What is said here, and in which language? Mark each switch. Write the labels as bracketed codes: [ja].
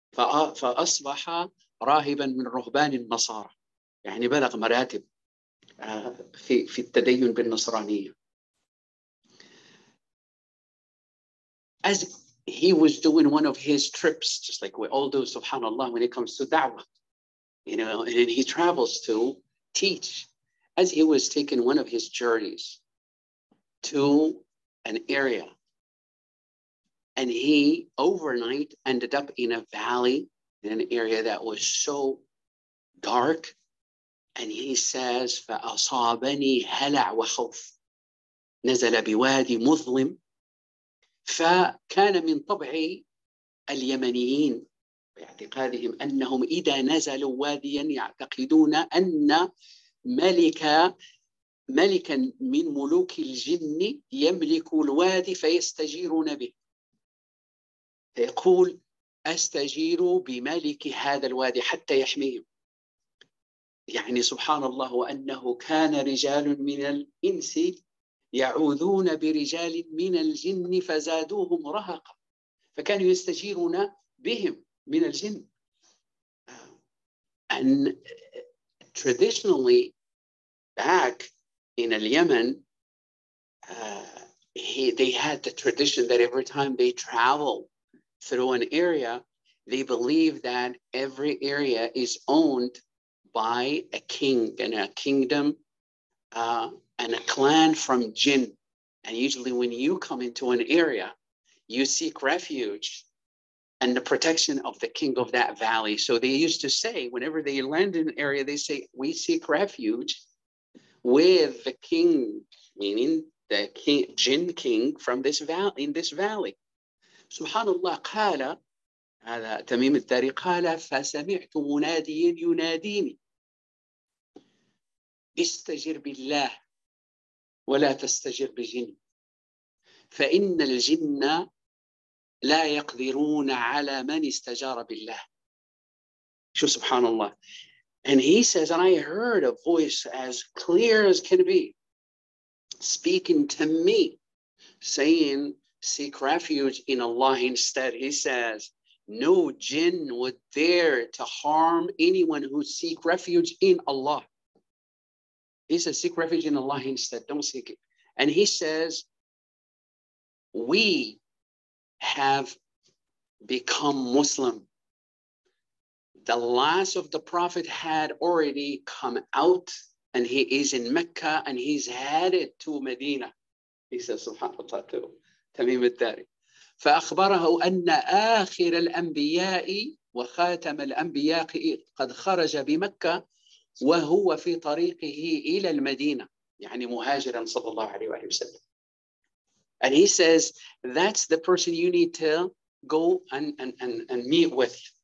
[ar] فأصبح راهبا من رهبان النصارى, يعني بلغ مراتب في التدين بالنصرانية. [en] As he was doing one of his trips, just like we all do, subhanallah, when it comes to da'wah, you know, and then he travels to teach. As he was taking one of his journeys to an area, and he overnight ended up in a valley, in an area that was so dark. And he says, [ar] فأصابني هلع وخوف, نزل بوادي مظلم. فكان من طبع اليمنيين باعتقادهم أنهم إذا نزلوا واديا يعتقدون أن ملكا من ملوك الجن يملك الوادي فيستجيرون به. يقول أستجير بملك هذا الوادي حتى يحميهم. يعني سبحان الله, وأنه كان رجال من الإنس يعوذون برجال من الجن فزادوهم رهقا, فكانوا يستجيرون بهم من الجن. [en] And traditionally back in Yemen, they had the tradition that every time they travel through an area, they believe that every area is owned by a king and a kingdom and a clan from jinn. And usually when you come into an area, you seek refuge and the protection of the king of that valley. So they used to say, whenever they land in an area, they say, we seek refuge with the king, meaning the king, jinn king from this valley, in this valley. [ar] سبحان الله, قال هذا تميم الداري, قال فسمعت مناديا يناديني استجر بالله ولا تستجر بجن فإن الجن لا يقدرون على من استجار بالله. شو سبحان الله. [en] And he says, and I heard a voice as clear as can be speaking to me saying, seek refuge in Allah instead. He says, no jinn would dare to harm anyone who seek refuge in Allah. He says, seek refuge in Allah instead. Don't seek it. And he says, we have become Muslim. The last of the prophet had already come out, and he is in Mecca, and he's headed to Medina. He says, subhanAllah, too. [ar] تميم الداري. فأخبره أن آخر الأنبياء وخاتم الأنبياء قد خرج بمكة وهو في طريقه إلى المدينة, يعني مهاجرا صلى الله عليه وآله وسلم. [en] And he says, that's the person you need to go and meet with.